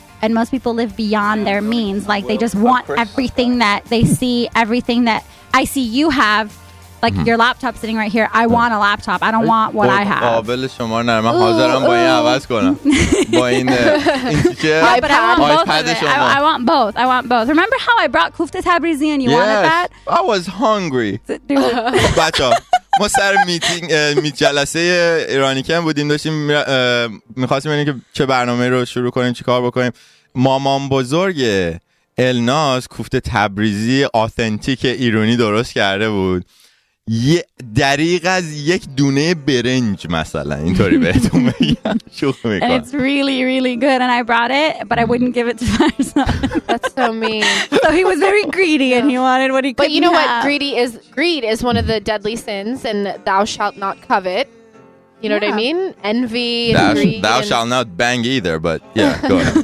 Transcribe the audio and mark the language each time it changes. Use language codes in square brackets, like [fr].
[en] And most people live beyond their means. Like they just want everything that they see, everything that I see you have. Like your laptop sitting right here. I want a laptop. I don't want what I have. [fa] قابل شما نرم. من حاضرم با این عوض کنم. با این [en] iPad شما. I want both. I want both. Remember how I brought Kufta Tabrizi and you wanted that? I was hungry. [fa] بچه ها. ما سر میتینگ جلسه ایرانیکم بودیم. داشتیم میخواستیم ببینیم که چه برنامه رو شروع کنیم. چی کار بکنیم. مامان بزرگ الناز کوفته تبریزی آثنتیک ایرانی درست کرده بود. یه دریغ از یک دونه برنج مثلا اینطوری بهتون میگم شوخ میکنم [en] and it's really really good and I brought it but I wouldn't give it to Farzad that's so mean so he was very greedy and he wanted what he couldn't but you know have. What greed is one of the deadly sins and thou shalt not covet you know what I mean envy and thou greed thou shalt not bang either but yeah go ahead